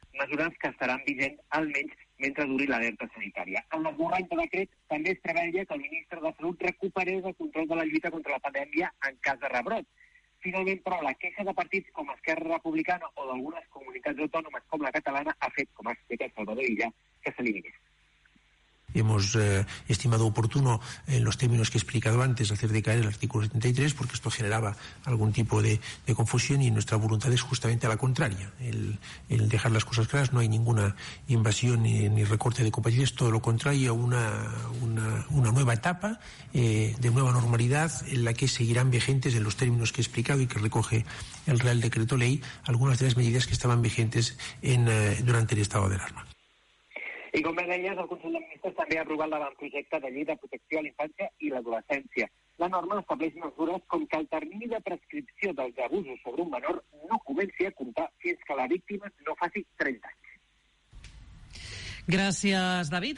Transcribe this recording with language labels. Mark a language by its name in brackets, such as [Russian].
[Catalan] Mesures que estaran vigents almenys mentre duri l'alerta sanitària. En l'esborrany de decret també es preveia que el ministre de Salut recuperés el control de la lluita contra la pandèmia en cas de rebrot. Finalment, però, la queixa de partits com Esquerra Republicana o d'algunes comunitats autònomes com la catalana ha fet, com ha explicat Salvador Illa, que s'eliminés. [Spanish] Hemos estimado oportuno en los términos que he explicado antes hacer decaer el artículo 73 porque esto generaba algún tipo de confusión y nuestra voluntad es justamente a la contraria, el dejar las cosas claras. No hay ninguna invasión ni recorte de competencias, todo lo contrario, una nueva etapa de nueva normalidad en la que seguirán vigentes en los términos que he explicado y que recoge el Real Decreto Ley algunas de las medidas que estaban vigentes durante el estado de alarma. [Catalan] I com bé deies, el Consell de Ministres també ha aprovat l'avantprojecte de llei de protecció a l'infància i l'adolescència. La norma estableix mesures com que el termini de prescripció dels abusos sobre un menor no comenci a comptar fins que la víctima no faci 30 anys. Gràcies, David.